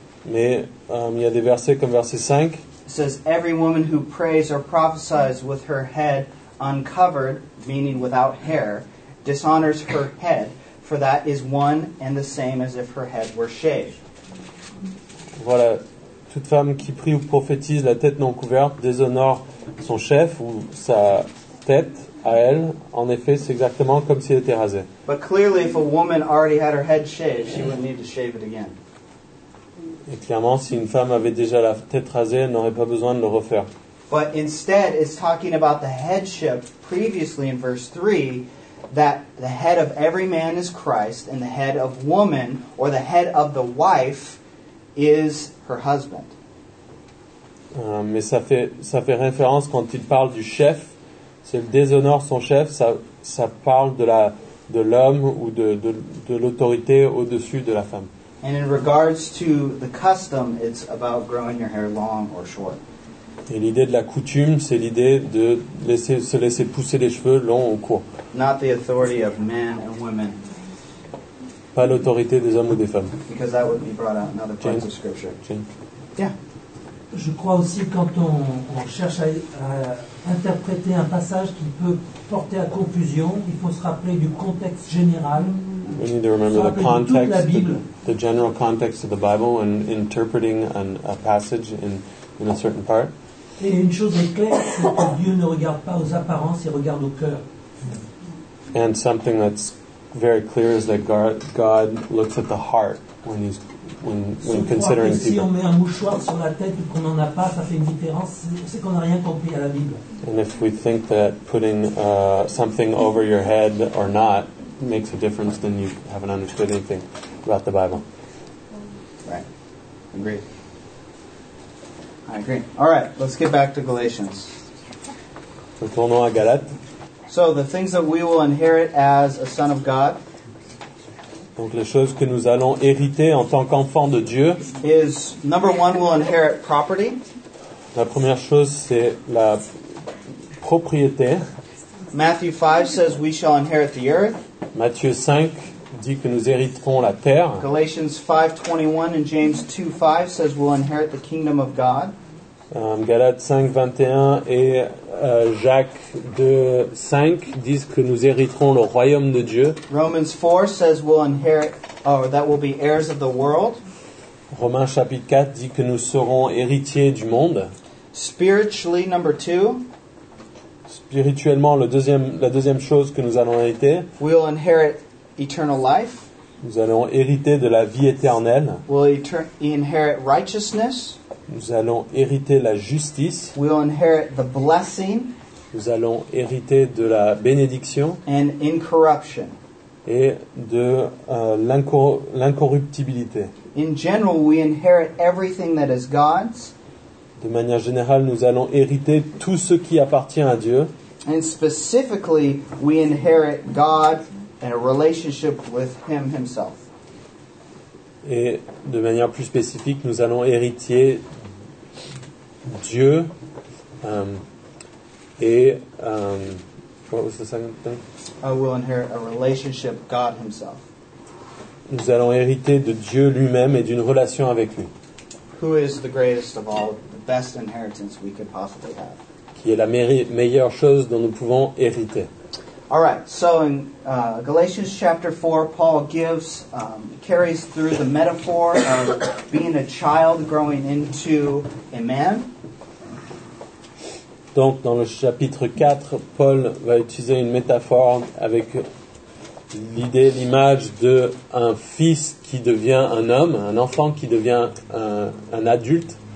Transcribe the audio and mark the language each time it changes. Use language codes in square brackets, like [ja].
[fr] Mais il y a des versets comme verset 5. [en] It says every woman who prays or prophesies with her head uncovered, meaning without hair, dishonors her head, for that is one and the same as if her head were shaved. [fr] Voilà. Toute femme qui prie ou prophétise la tête non couverte déshonore son chef ou sa tête à elle. En effet, c'est exactement comme si elle était rasée. [en] But clearly, if a woman already had her head shaved, she would need to shave it again. [fr] Et clairement, si une femme avait déjà la tête rasée, elle n'aurait pas besoin de le refaire. [en] But instead, it's talking about the headship previously in verse 3, that the head of every man is Christ, and the head of woman, or the head of the wife, is her husband. [fr] Mais ça fait référence quand il parle du chef, c'est le déshonore son chef, ça parle de l'homme ou de l'autorité au-dessus de la femme. [en] And in regards to the custom, it's about growing your hair long or short. [fr] Et l'idée de la coutume, c'est l'idée de se laisser pousser les cheveux longs ou courts. [en] Not the authority of men and women. [fr] Pas l'autorité des hommes ou des femmes. [en] Because that would be brought out in other parts of scripture. [fr] Jean. [en] Yeah. [fr] Je crois aussi quand on cherche à interpréter un passage qui peut porter à confusion, il faut se rappeler du contexte général. [en] We need to remember the context, the general context of the Bible, and interpreting a passage in a certain part. [fr] Et une chose est claire, c'est que Dieu ne regarde pas aux apparences, il regarde au cœur. [en] And something that's very clear is that God looks at the heart when considering people. [fr] Si on met un mouchoir sur la tête et qu'on n'en a pas, ça fait une différence. C'est qu'on n'a rien compris à la Bible. [en] And if we think that putting something over your head or not makes a difference, then you haven't understood anything about the Bible. Right. Agreed. I agree. All right, let's get back to Galatians. [fr] Retournons à Galates. [en] So the things that we will inherit as a son of God. [fr] Donc les choses que nous allons hériter en tant qu'enfant de Dieu. [en] Is number one, we'll inherit property. [fr] La première chose, c'est la propriété. [en] Matthew 5 says we shall inherit the earth. [fr] Matthieu 5 dit que nous hériterons la terre. [en] Galatians 5:21 and James 2:5 says we'll inherit the kingdom of God. [fr] Galates 5:21 et Jacques 2:5 disent que nous hériterons le royaume de Dieu. [en] Romans 4 says we'll inherit, or that we'll be heirs of the world. [fr] Romains chapitre 4 dit que nous serons héritiers du monde. [en] Spiritually, number 2. [fr] Spirituellement, la deuxième chose que nous allons hériter. [en] We'll inherit eternal life. [fr] Nous allons hériter de la vie éternelle. [en] We'll inherit righteousness. [fr] Nous allons hériter la justice. [en] We'll inherit the blessing. [fr] Nous allons hériter de la bénédiction. [en] And incorruption. [fr] Et de l'incorruptibilité. [en] In general, we inherit everything that is God's. [fr] De manière générale, nous allons hériter tout ce qui appartient à Dieu. [en] And specifically, we inherit God and a relationship with Him Himself. [fr] Et de manière plus spécifique, nous allons hériter Dieu [en] what was the second thing? I will inherit a relationship with God Himself. [fr] Nous allons hériter de Dieu lui-même et d'une relation avec lui. [en] Who is the greatest of all, the best inheritance we could possibly have? [fr] Qui est la meilleure chose dont nous pouvons hériter? [en] All right, so in Galatians chapter 4, Paul gives, carries through the metaphor of being a child growing into a man. [fr] Donc, dans le chapitre 4, Paul va utiliser une métaphore avec l'idée, l'image d'un fils qui devient un homme, un enfant qui devient un adulte.